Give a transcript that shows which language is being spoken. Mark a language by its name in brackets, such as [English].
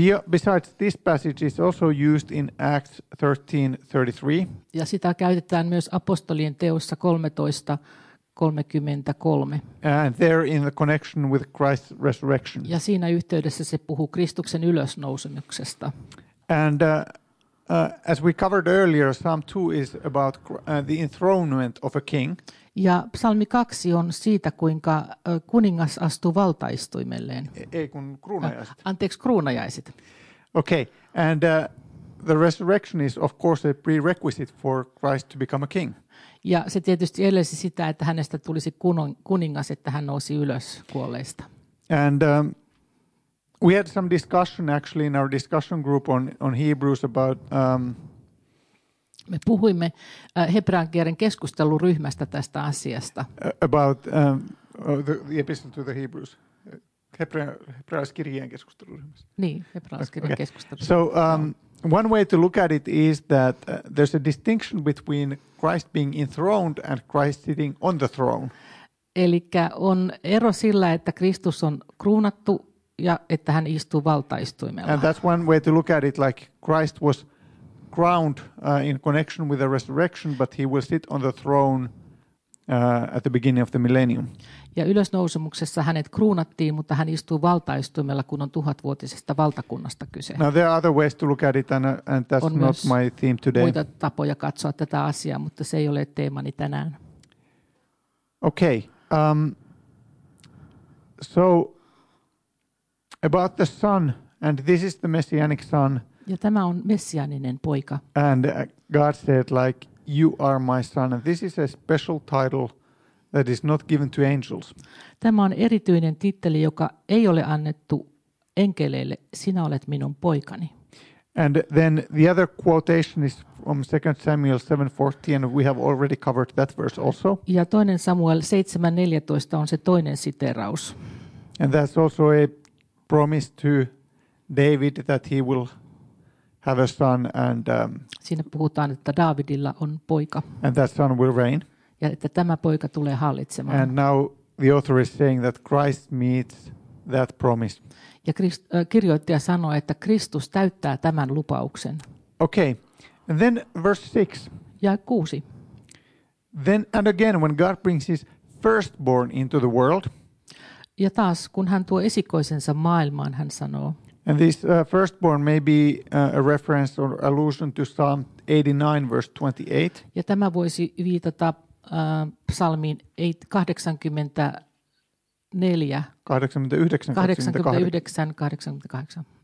[English] Besides this passage is also used in Acts 13:33. [Finnish] Ja sitä käytetään myös apostolien teossa 13:33. [English] And there in the connection with Christ's resurrection. [Finnish] Ja siinä yhteydessä se puhuu Kristuksen ylösnousemuksesta. [English] And as we covered earlier, Psalm 2 is about the enthronement of a king. [Finnish] Ja psalmi 2 on siitä, kuinka kuningas astuu valtaistuimelleen. Ei kun kruunajaiset. Anteeksi, kruunajaiset. [English] Okay, and the resurrection is of course a prerequisite for Christ to become a king. [Finnish] Ja se tietysti edellisi sitä, että hänestä tulisi kuningas, että hän nousi ylös kuolleista. [English] And we had some discussion actually in our discussion group on Hebrews about [Finnish] Me puhuimme hebreankielen keskusteluryhmästä tästä asiasta. [English] About the epistle to the Hebrews. [Finnish] Hebrealaiskirjeen keskusteluryhmästä. Niin, hebrealaiskirjeen okay. keskusteluryhmästä. [English] So one way to look at it is that there's a distinction between Christ being enthroned and Christ sitting on the throne. [Finnish] Elikkä on ero sillä, että Kristus on kruunattu ja että hän istuu valtaistuimella. [English] And that's one way to look at it, like Christ was crowned in connection with the resurrection, but he will sit on the throne at the beginning of the millennium. [Finnish] Ja ylösnousemuksessa hänet kruunattiin, mutta hän istuu valtaistuimella, kun on tuhatvuotisesta valtakunnasta kyse. [English] Now there are other ways to look at it, and that's [Finnish] on [English] not my theme today. [Finnish] On myös muita tapoja katsoa tätä asiaa, mutta se ei ole teemani tänään. [English] Okay. So about the son, and this is the messianic son. [Finnish] Ja tämä on messiaaninen poika. [English] And God said, like, you are my son. And this is a special title that is not given to angels. [Finnish] Tämä on erityinen titteli, joka ei ole annettu enkeleille. Sinä olet minun poikani. [English] And then the other quotation is from 2 Samuel 7:14, and we have already covered that verse also. [Finnish] Ja toinen Samuel 7:14 on se toinen siteraus. [English] And that's also a promise to David that he will have a son, and [Finnish] siinä puhutaan, että Davidilla on poika. [English] And that son will reign. [Finnish] Ja että tämä poika tulee hallitsemaan. [English] And now the author is saying that Christ meets that promise. [Finnish] Ja kirjoittaja sanoo, että Kristus täyttää tämän lupauksen. [English] Okay. And then verse 6. [Finnish] Ja 6. [English] Then and again when God brings his firstborn into the world. [Finnish] Ja taas kun hän tuo esikoisensa maailmaan, hän sanoo. [English] And this firstborn may be a reference or allusion to Psalm 89 verse 28. [Finnish] Ja tämä voisi viitata psalmiin 89:88.